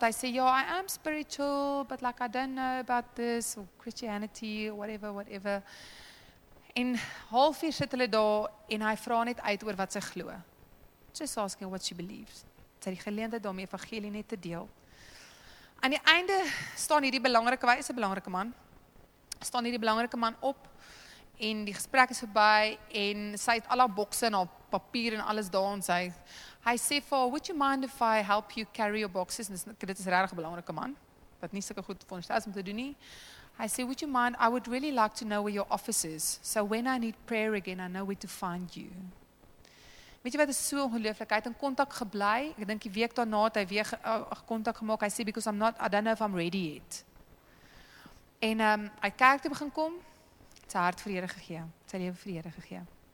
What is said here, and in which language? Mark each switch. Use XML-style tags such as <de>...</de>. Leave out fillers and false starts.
<af>Hy sê,</af> <en>"Yeah, I am spiritual, but like I don't know about this, or Christianity, or whatever.</en> <af>En halfuur sit hulle daar, en hy vra net uit oor wat sy glo.</af> <en>Just asking what she believes.</en> <af>Sy het die geleentheid om die evangelie net te deel. Aan die einde staan hierdie belangrike man, staan hierdie belangrike man op en die gesprek is verby en sy het al haar bokse en haar papier en alles daar en sy hy sê vir haar,</af> <en>would you mind if I help you carry your boxes?</en> <af>En dit is regtig 'n belangrike man wat nie sulke goed veronderstel is om te doen nie. Hy sê,</af> <en>would you mind, I would really like to know where your office is, so when I need prayer again, I know where to find you.</en> <af>Weet jy wat is so ongelooflik, hy het in contact geblei, ek dink die week daarna het hy weer contact gemaak, hy sê,</af> <en>because I'm not, I don't know if I'm ready yet.</en> <af>En hy kerk toe begin kom, sy hart vir die Here gegee, sy lewe vir die Here gegee.</af>